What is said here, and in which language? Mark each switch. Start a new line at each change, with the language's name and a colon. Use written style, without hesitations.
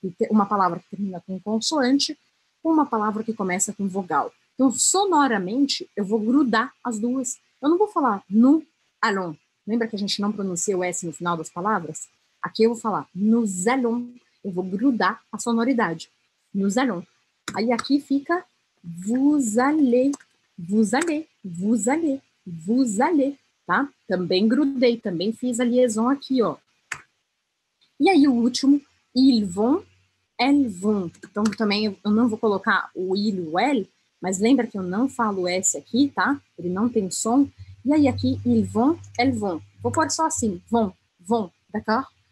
Portuguese: Uma palavra que termina com consoante, uma palavra que começa com vogal. Então, sonoramente, eu vou grudar as duas. Eu não vou falar
French: nous allons.
Portuguese: Lembra que a gente não pronuncia o S no final das palavras? Aqui eu vou falar
French: nous allons.
Portuguese: Eu vou grudar a sonoridade.
French: Nous allons.
Portuguese: Aí aqui fica
French: vous allez, vous allez, vous allez, vous allez.
Portuguese: Tá? Também grudei, também fiz a liaison aqui, ó. E aí o último.
French: Ils vont, elles vont.
Portuguese: Então, também, eu não vou colocar o il ou elle, mas lembra que eu não falo S aqui, tá? Ele não tem som. E aí, aqui,
French: ils vont, elles vont.
Portuguese: Vou pôr só assim, vão, vão,
French: d'accord?